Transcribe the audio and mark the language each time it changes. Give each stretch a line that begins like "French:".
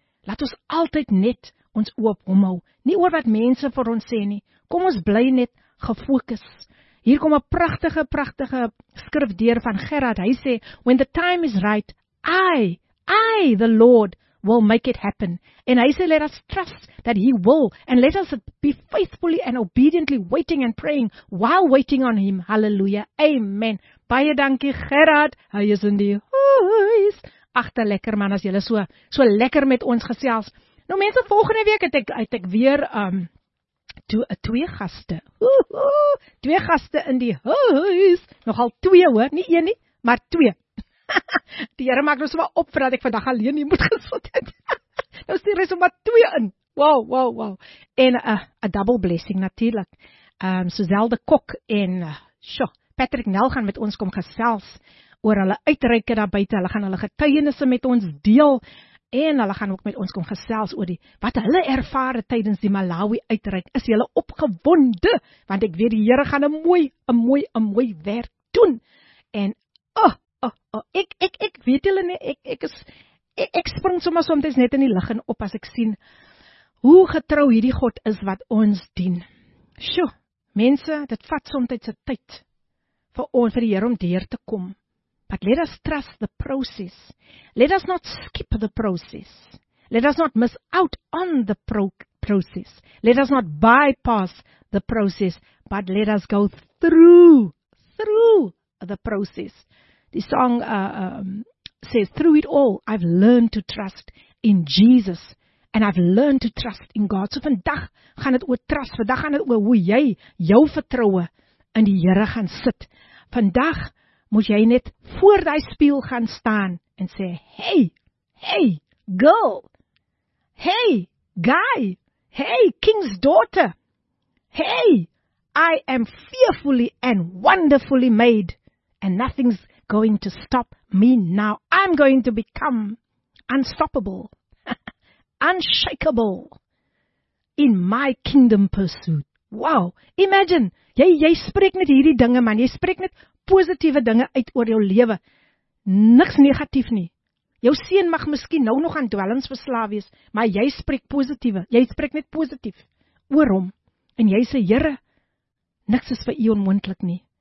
Afrikaans: Laat ons altyd net ons oë op hom hou, nie oor wat mense vir ons sê nie. Kom ons bly net gefokus. Hier kom 'n pragtige skrifdeur van Gerard. Hy sê,
English: "When the time is right, I the Lord will make it happen." And I say, let us trust that he will, and let us be faithfully and obediently waiting and praying while waiting on him.
Afrikaans: Hallelujah. Amen. Baie dankie Gerard. Hy is in die huis. Agter lekker man, as julle so lekker met ons gesels. Nou mense, volgende week het ek weer twee gaste. Twee gaste in die huis. Nogal twee hoor, nie een nie, maar twee. Die Here maak nou sommer op voordat ek vandag alleen hier moet gesit het. Nou stuur hy sommer twee in. Wow. En 'n
English: double blessing
Afrikaans: natuurlik. Suzelle de Kok en Patrick Nel gaan met ons kom gesels oor hulle uitreike daar buite. Hulle gaan hulle getuienisse met ons deel en hulle gaan ook met ons kom gesels oor wat hulle ervaar tydens die Malawi uitreik. Is julle opgewonde? Want ek weet die Here gaan een mooi werk doen. En ek weet julle nie, ek spring sommer soms net in die lig en op as ek sien hoe getrou hierdie God is wat ons dien. Sjoe, mense, dit vat soms 'n tyd vir ons vir die Here om deur te kom.
English: But let us trust the process. Let us not skip the process. Let us not miss out on the process. Let us not bypass the process, but let us go through the process. The song says, through it all, I've learned to trust in Jesus. And I've learned to trust in God.
Afrikaans: So vandag gaan het oor trust. Vandag gaan het oor hoe jy jou vertroue in die Here gaan sit. Vandag moet jy net voor die spieël gaan staan en sê,
English: hey, girl, hey, guy, hey, king's daughter, hey, I am fearfully and wonderfully made and nothing's going to stop me now. I'm going to become unstoppable, unshakable in my kingdom pursuit.
Afrikaans: Wow, imagine, jy spreek net hierdie dinge, man, jy spreek net positiewe dinge uit oor jou lewe. Niks negatief nie. Jou seun mag miskien nou nog aan dwelmverslaaf wees, maar jy spreek positief. Jy spreek net positief oor hom. en jy sê, Here, niks is vir u onmoontlik nie.